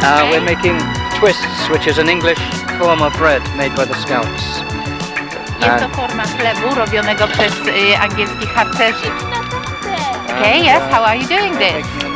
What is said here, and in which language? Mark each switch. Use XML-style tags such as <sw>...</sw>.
<en>We're making twists, which is an English form of bread made by the scouts.</en> <pl>Jest to forma chlebu robionego przez angielskich harcerzy.</pl> <en>Okay, yes, how are you doing this?</en>